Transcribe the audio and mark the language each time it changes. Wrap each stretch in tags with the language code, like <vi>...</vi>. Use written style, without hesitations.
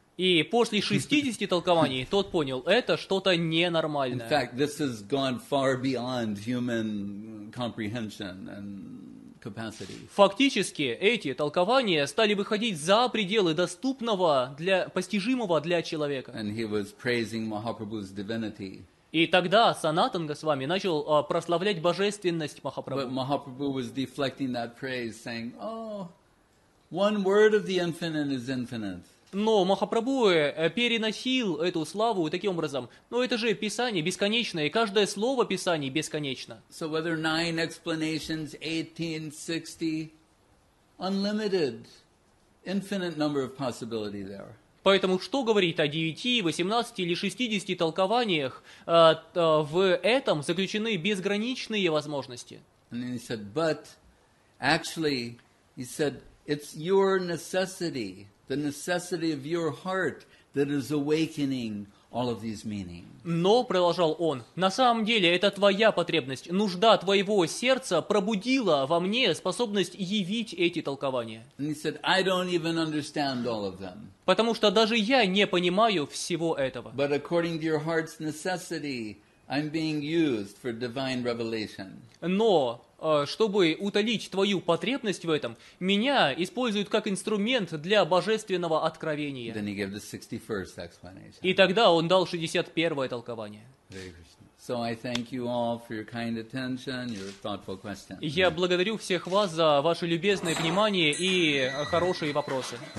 <ru>И после 60 толкований тот понял, это что-то ненормальное.</ru> <en>In fact, this has gone far beyond human comprehension and capacity.</en> <ru>Фактически, эти толкования стали выходить за пределы доступного, для постижимого для человека.</ru> <en>And he was praising Mahaprabhu's divinity.</en> <ru>И тогда Санатан Госвами начал прославлять божественность Махапрабху.</ru> <en>But Mahaprabhu was deflecting that praise, saying, oh, one word of the infinite is infinite.</en> <ru>Но Махапрабху переносил эту славу таким образом. Но это же Писание бесконечное, и каждое слово Писаний бесконечно.</ru> <en>So whether 9 explanations, 18, 60, unlimited, infinite number of possibility there.</en> <ru>Поэтому что говорить о 9, 18 или 60 толкованиях? В этом заключены безграничные возможности.</ru> <en>And then he said, but actually, he said, it's your necessity. The necessity of your heart that is awakening all of these meanings.</en> <ru>Но, продолжал он, на самом деле это твоя потребность, нужда твоего сердца пробудила во мне способность явить эти толкования.</ru> <en>And he said, I don't even understand all of them.</en> <ru>Потому что даже я не понимаю всего этого.</ru> <en>But according to your heart's necessity, I'm being used for divine revelation.</en> <ru>Но чтобы утолить твою потребность в этом, меня используют как инструмент для божественного откровения.</ru> <en>Then he gave the 61st explanation.</en> <ru>И тогда он дал 61-е толкование.</ru> <en>So I thank you all for your kind attention, your thoughtful questions.</en> <ru>Я благодарю всех вас за ваше любезное внимание и хорошие вопросы.</ru>